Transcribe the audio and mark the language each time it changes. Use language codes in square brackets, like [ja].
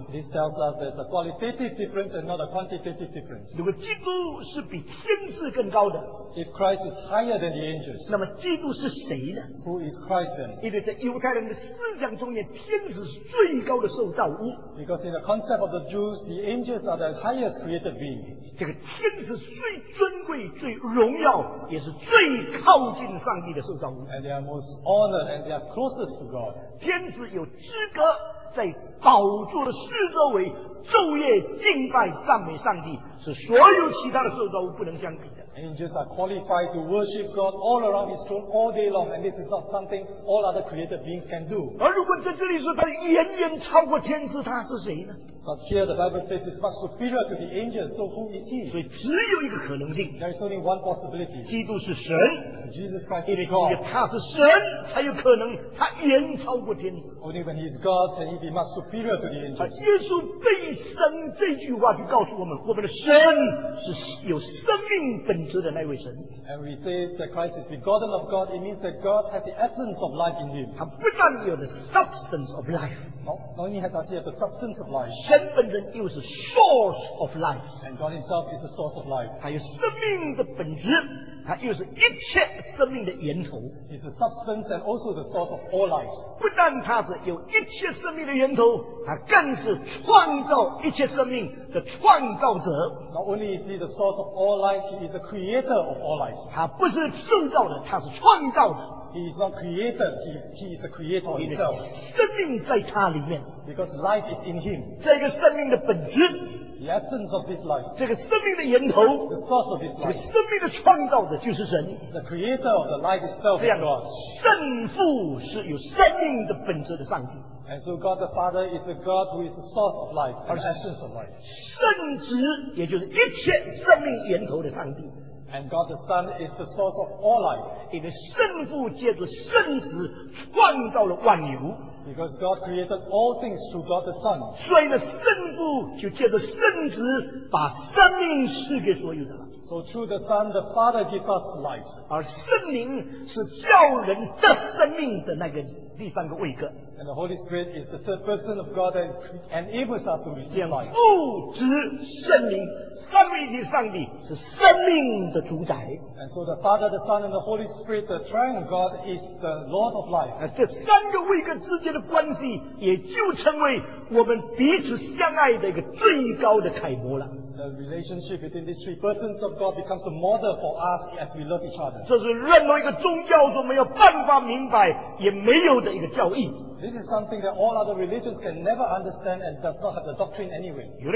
[en] This tells us there's a qualitative difference and not a quantitative difference. [zh] 如果基督是比天使更高的, [en] If Christ is higher than the angels, [zh] 那么基督是谁呢? [en] Who is Christ then? [zh] 因为在犹太人的思想中间，天使是最高的受造物。 [en] Because in the concept of the Jews, the angels are the highest created being. [zh] 这个天使最尊贵、最荣耀，也是最靠近上帝的受造物。 [en] And they are most honored and they are closest to God. [zh] 天使有资格在宝座的四周围昼夜敬拜赞美上帝，是所有其他的受造物不能相比的。 [en] Angels are qualified to worship God all around His throne all day long, and this is not something all other created beings can do. [zh] 而如果在这里说他远远超过天使，他是谁呢？ [en] But here the Bible says it's much superior to the angels, so who is he? [zh] 所以只有一个可能性, [en] there is only one possibility. [zh] 基督是神, [en] Jesus Christ is God. [zh] 因为他是神才有可能他远超过天使。 [en] Only when he is God can he be much superior to the angels. [zh] 耶稣被生这句话就告诉我们，我们的神是有生命本质的那位神。 [en] And we say that Christ is begotten of God, it means that God has the essence of life in him. [zh] 他不但有 [en] the substance of life, not only does he have the substance of life, [zh] 神本身又是 [en] source of life, and God himself is the source of life. [zh] 他有生命的本质, 他又是一切生命的源头, [en] he's the substance and also the source of all life. [zh] 不但他是有一切生命的源头, 他更是创造一切生命的创造者。 [en] Not only is he the source of all life, he is the creator of all life. [zh] 他不是受造的, 他是创造的。 [en] He is not created, he is the creator himself. [zh] 生命在他里面, [en] because life is in him. [zh] 这个生命的本质, [en] the essence of this life, [zh] 这个生命的源头, [en] the source of this life, [zh] 这个生命的创造者就是神, [en] the creator of the life itself is God. [zh] 圣父是有生命的本质的上帝。 [en] And so God the Father is the God who is the source of life, the essence of life. [zh] 圣子也就是一切生命源头的上帝。 [en] And God the Son is the source of all life. [zh] 因为圣父借着圣子创造了万有。 [en] Because God created all things through God the Son. [zh] 所以呢，圣父就借着圣子把生命赐给所有的。 [en] So through the Son, the Father gives us life. [zh] 而圣灵是叫人得生命的那个第三个位格。 [en] And the Holy Spirit is the third person of God and enables us to receive life. [zh] 父、子、圣灵，三位一体的上帝是生命的主宰。 [en] And so the Father, the Son, and the Holy Spirit, the Triune God, is the Lord of life. [zh] 这三个位格之间的关系，也就成为我们彼此相爱的一个最高的楷模了。 [en] The relationship between these three persons of God becomes the model for us as we love each other. [zh] 这是任何一个宗教都没有办法明白，也没有的一个教义。 [en] This is something that all other religions can never understand and does not have the doctrine anyway.